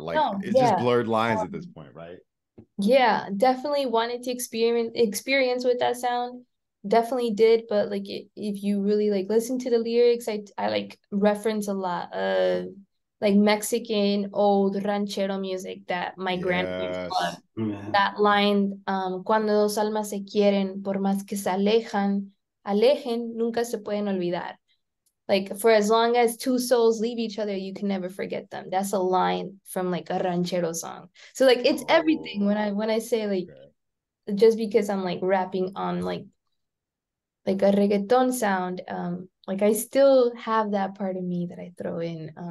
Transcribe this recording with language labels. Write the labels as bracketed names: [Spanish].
[English] Like, just blurred lines at this point, right? Yeah, definitely wanted to experience with that sound, definitely did. But like if you really like listen to the lyrics, I like reference a lot of like Mexican old ranchero music that my grandparents loved. That line, [Spanish] cuando dos almas se quieren, por más que se alejen, nunca se pueden olvidar. [English] Like, for as long as two souls leave each other, you can never forget them. That's a line from like a ranchero song. So like, it's everything when I say like, just because I'm like rapping on like a reggaeton sound, like I still have that part of me that I throw in.